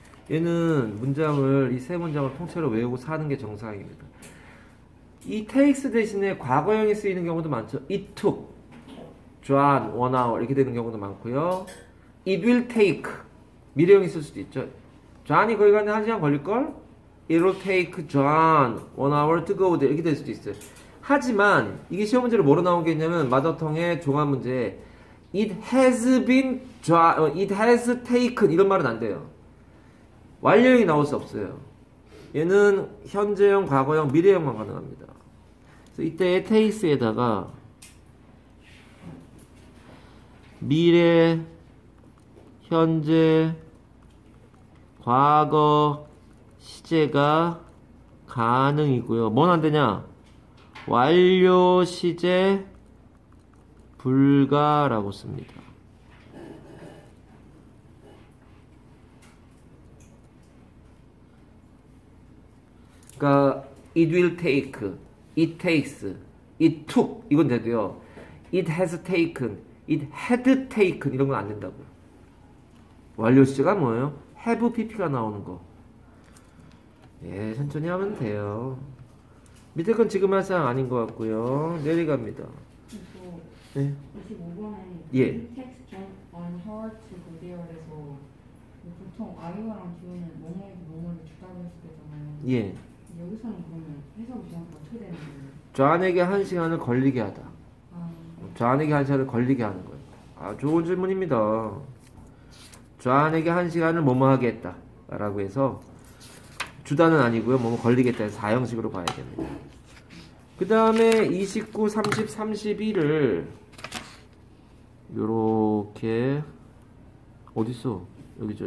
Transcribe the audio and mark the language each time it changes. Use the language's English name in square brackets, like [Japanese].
[Korean] 얘는 문장을 이 세 문장을 통째로 외우고 사는 게 정상입니다. 이 takes 대신에 과거형이 쓰이는 경우도 많죠. It took John 1 hour 이렇게 되는 경우도 많고요. It will take 미래형이 쓸 수도 있죠. John이 거기 가는데 한 시간 걸릴걸? [English] It'll take John 1 hour to go there. [Korean] 이렇게 될 수도 있어요. 하지만 이게 시험 문제로 뭐로 나온 게 있냐면 마더텅의 종합 문제. [English] It has been John. It has taken. 이런 말은 안 돼요. [Korean] 완료형이 나올 수 없어요. 얘는 현재형, 과거형, 미래형만 가능합니다. 그래서 이때 takes에다가 미래, 현재, 과거, 시제가 가능이고요. 뭔 안 되냐? 완료 시제 불가라고 씁니다. [English] 그러니까 it will take, it takes, it took 이건 돼도요. It has taken, it had taken 이런 건 안 된다고. [Korean] 완료 시제가 뭐예요? Have PP가 나오는 거. 예, 천천히 하면 돼요. 밑에 건 지금 할 사항 아닌 것 같고요. 내려갑니다. 네. 25번에 예. It takes John on her to go there 에서 보통 I와랑 기호는 뭐뭐를 주다고 했었잖아요. 예. 여기서는 그러면 해석이 어떻게 되는 거예요? John에게 한 시간을 걸리게 하다. 아. John에게 한 시간을 걸리게 하는 거예요. 아, 좋은 질문입니다. John에게 한 시간을 뭐뭐 하게 했다 라고 해서 주다는 아니고요. 뭐 걸리겠다 해서 4형식으로 봐야 됩니다. 그 다음에 29, 30, 31을 요렇게 어딨어? 여기죠.